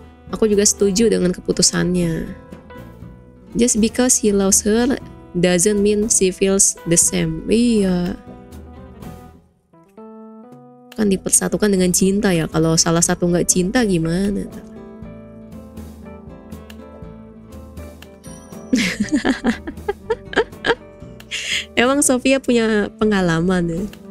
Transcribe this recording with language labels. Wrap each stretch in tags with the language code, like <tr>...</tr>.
<id>Aku juga setuju dengan keputusannya.</id> <en>Just because he loves her doesn't mean she feels the same.</en> <id>Iya. Kan dipersatukan dengan cinta ya. Kalau salah satu gak cinta gimana? Emang Sofia punya pengalaman ya.</id>